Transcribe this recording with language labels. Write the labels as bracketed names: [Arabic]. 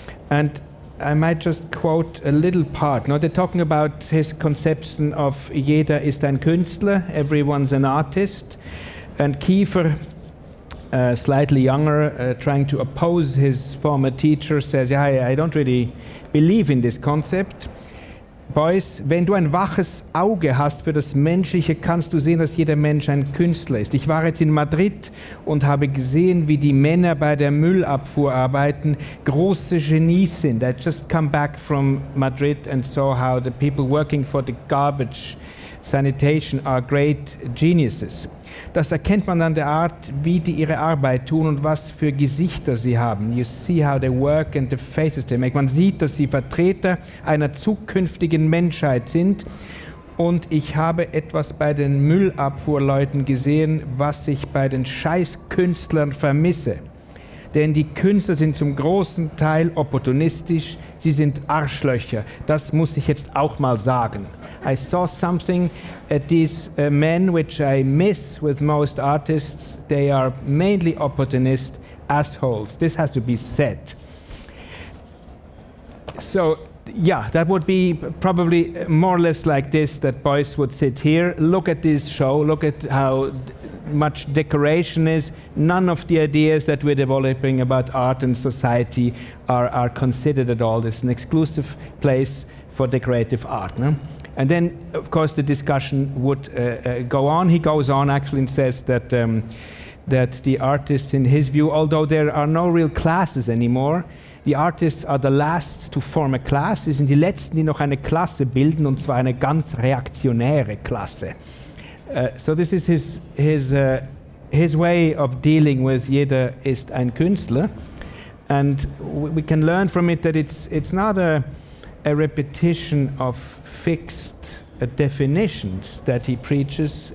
[English] And I might just quote a little part. Now, they're talking about his conception of [German] jeder ist ein Künstler, [English] everyone's an artist. And Kiefer slightly younger, trying to oppose his former teacher, says, "Yeah, I don't really believe in this concept." [German] Beuys, wenn du ein waches Auge hast für das Menschliche, kannst du sehen, dass jeder Mensch ein Künstler ist. Ich war jetzt in Madrid und habe gesehen, wie die Männer bei der Müllabfuhr arbeiten, große Genies sind. [English] I just come back from Madrid and saw how the people working for the garbage sanitation are great geniuses. [German] Das erkennt man an der Art, wie die ihre Arbeit tun und was für Gesichter sie haben. [English] You see how they work and the faces they make. [German] Man sieht, dass sie Vertreter einer zukünftigen Menschheit sind. Und ich habe etwas bei den Müllabfuhrleuten gesehen, was ich bei den Scheißkünstlern vermisse. Denn die Künstler sind zum großen Teil opportunistisch. Sie sind Arschlöcher. Das muss ich jetzt auch mal sagen. [English] I saw something at these men, which I miss with most artists. They are mainly opportunist assholes. This has to be said. So, yeah, that would be probably more or less like this, that Beuys would sit here. Look at this show. Look at how much decoration is. None of the ideas that we're developing about art and society are considered at all. This is an exclusive place for decorative art. No? And then, of course, the discussion would go on. He goes on, actually, and says that that the artists, in his view, although there are no real classes anymore, the artists are the last to form a class. [German] Sie sind die letzten, die noch eine Klasse bilden, und zwar eine ganz reaktionäre Klasse. [English] So this is his way of dealing with [German] jeder ist ein Künstler, [English] and we can learn from it that it's not a repetition of fixed definitions that he preaches.